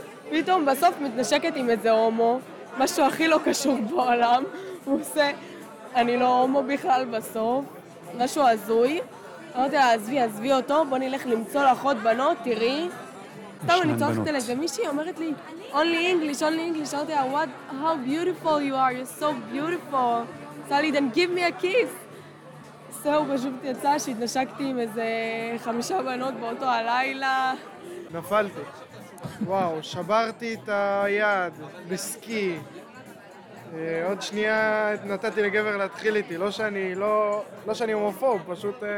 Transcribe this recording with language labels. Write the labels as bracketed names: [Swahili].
[Hebrew] פתאום בסוף מתנשקת עם איזה הומו, משהו הכי לא קשור בעולם. הוא עושה, אני לא הומו בכלל בסוף, משהו הזוי. אמרתי לה, עזבי, עזבי אותו, בוא נלך למצוא לאחות בנות, תראי. סתם אני צוחקת על איזה מישהי, אומרת לי, [English] only English, only English. [Hebrew] אמרתי לה, [English] what, how beautiful you are, you're so beautiful. סלי, then give me a kiss. [Hebrew] זהו, פשוט יצא שהתנשקתי עם איזה חמישה בנות באותו הלילה. נפלתי. וואו, שברתי את היד בסקי. עוד שנייה נתתי לגבר להתחיל איתי. לא שאני הומופוב, פשוט...